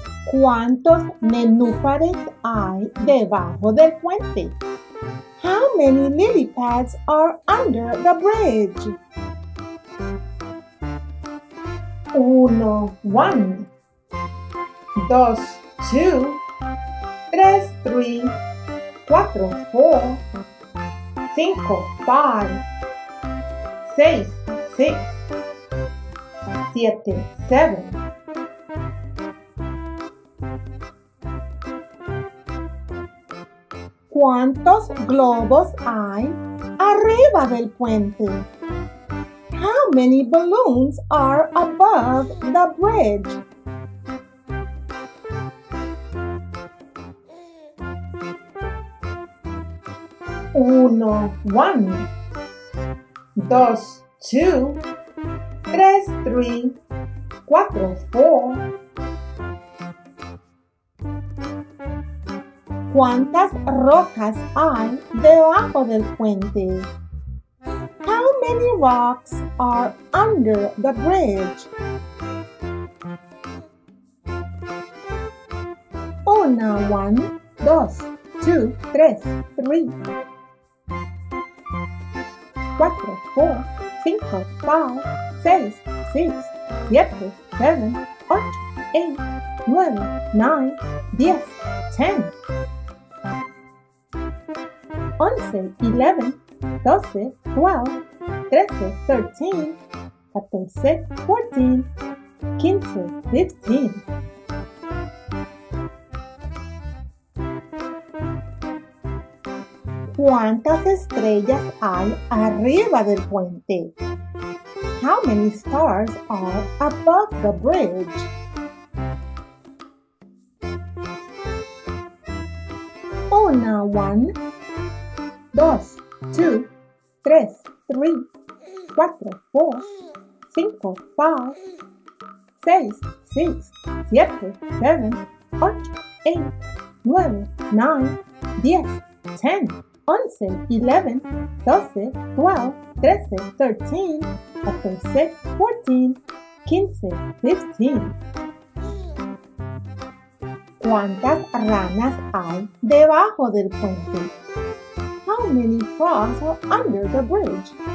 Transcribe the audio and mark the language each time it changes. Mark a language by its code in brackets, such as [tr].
[es] ¿Cuántos nenúfares hay debajo del puente? [en] How many lily pads are under the bridge? [es] Uno, [en] one. [es] Dos, [en] two. [es] Tres, [en] three. [es] Cuatro, [en] four. [es] Cinco, [en] five. [es] Seis, [en] six. [es] Siete, [en] seven. [es] ¿Cuántos globos hay arriba del puente? [en] How many balloons are above the bridge? [es] Uno, [en] one. [es] Dos, [en] two. [es] Tres, [en] three. [es] Cuatro, [en] four. [es] ¿Cuántas rocas hay debajo del puente? [en] many rocks are under the bridge? [es] Una, [en] one, [es] dos, [en] two, [es] tres, [en] three. [es] Cuatro, [en] four, [es] cinco, [en] five, [es] seis, [en] six, [es] siete, [en] seven, [es] ocho, [en] eight, [es] nueve, [en] nine, [es] diez, [en] ten. [es] 11, 11, 12, 12, 13, 13, 13, 14, 14, 15, 15. ¿Cuántas estrellas hay arriba del puente? [en] How many stars are above the bridge? [es] Una, [en] one, [es] dos, [en] two, [es] tres, [en] three, [es] cuatro, [en] four, [es] cinco, [en] five, [es] seis, [en] six, [es] siete, [en] seven, [es] ocho, [en] eight, [es] nueve, [en] nine, [es] diez, [en] ten. [es] 11, 11, 12, 12, 13, 13, 14, 14, 15, 15. ¿Cuántas ranas hay debajo del puente? [en] How many frogs are under the bridge?